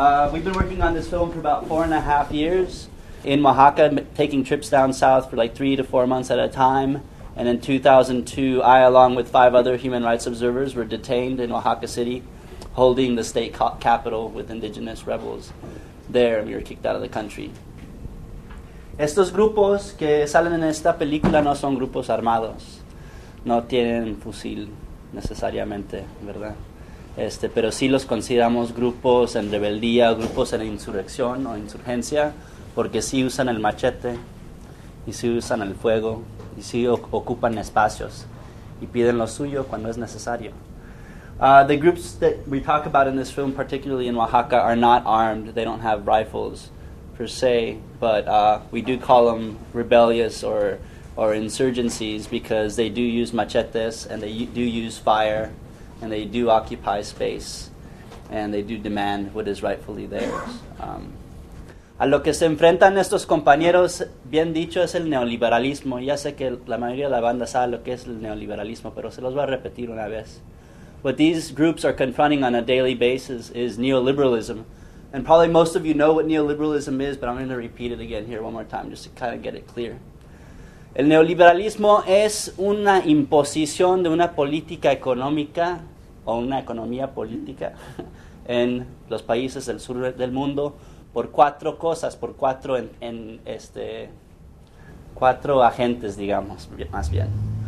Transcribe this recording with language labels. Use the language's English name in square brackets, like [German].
[English] We've been working on this film for about 4.5 years in Oaxaca, taking trips down south for like 3 to 4 months at a time. And in 2002, I, along with 5 other human rights observers, were detained in Oaxaca City, holding the state capital with indigenous rebels. There, we were kicked out of the country. [Spanish] Estos grupos que salen en esta película no son grupos armados. No tienen fusil necesariamente, ¿verdad? Pero sí los consideramos grupos en rebeldía, grupos en insurrección o insurgencia, porque sí usan el machete, y sí usan el fuego, y sí ocupan espacios, y piden lo suyo cuando es necesario. [English] The groups that we talk about in this film, particularly in Oaxaca, are not armed. They don't have rifles, per se, but we do call them rebellious or insurgencies because they do use machetes and they do use fire and they do occupy space and they do demand what is rightfully theirs. [Spanish] A lo que se enfrentan estos compañeros, bien dicho, es el neoliberalismo. Ya sé que la mayoría de la banda sabe lo que es el neoliberalismo, pero se los voy a repetir una vez. [English] What these groups are confronting on a daily basis is neoliberalism. And probably most of you know what neoliberalism is, but I'm going to repeat it again here one more time just to kind of get it clear. [Spanish] El neoliberalismo es una imposición de una política económica o una economía política en los países del sur del mundo por cuatro cosas, por cuatro en este cuatro agentes, digamos, más bien.